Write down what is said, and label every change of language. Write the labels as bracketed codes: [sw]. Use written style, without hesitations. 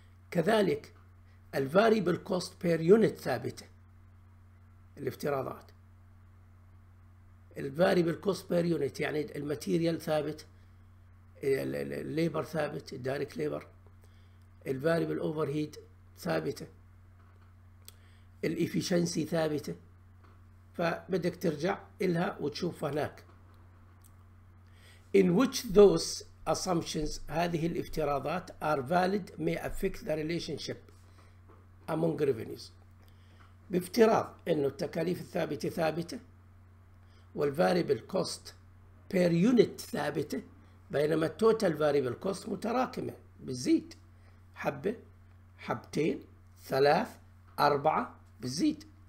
[ar] كذلك الفاريبل كوست بير يونت ثابتة، الافتراضات الفاريبل كوست بير يونت يعني الماتيريال ثابت، الليبر ثابت، الدايركت ليبر، الفاريبل اوفر هيد ثابته، الافيشنسي ثابته، فبدك ترجع لها وتشوف هناك. [en] In which those assumptions [ar] هذه الافتراضات [en] are valid may affect the relationship among revenues. [ar] بافتراض انه التكاليف الثابته ثابته والفاريبل كوست بير يونت ثابته بينما التوتال فاريبل كوست متراكمه بتزيد حبه حبتين ثلاث اربعه بتزيد.